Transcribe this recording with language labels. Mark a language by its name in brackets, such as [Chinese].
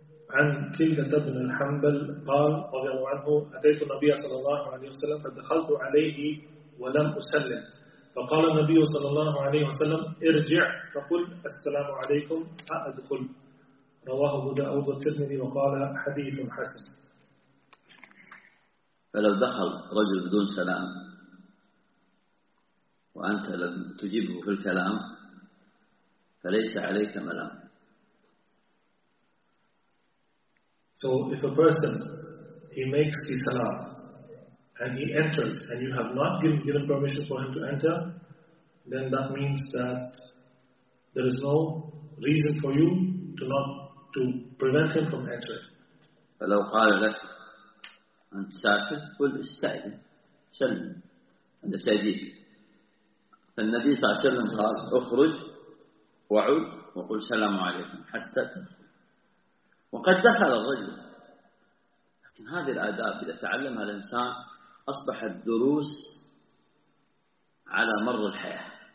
[Arabic] عن كلدة بن الحنبل قال رضي الله عنه أتيت النبي صلى الله عليه وسلم فدخلت عليه ولم أسلم فقال النبي صلى الله عليه وسلم ارجع فقل السلام عليكم أدخل رواه أبو داود والترمذي وقال حديث حسن. فلو دخل رجل بدون سلام وأنت لم تجيبه في الكلام فليس عليك ملام. [English] So if a person he makes the salam and he enters and you have not given permission for him to enter, then that means that there is no reason for you to prevent him from entering. [Arabic] فلو قال لك أنت ساكت قل استأذن سلم هذا تأذيب. فالنبي صلى الله عليه وسلم قال اخرج وعود وقل السلام عليكم حتى تدخل. وقد دخل الرجل لكن هذه الآداب إذا تعلمها الإنسان أصبحت دروس على مر الحياة.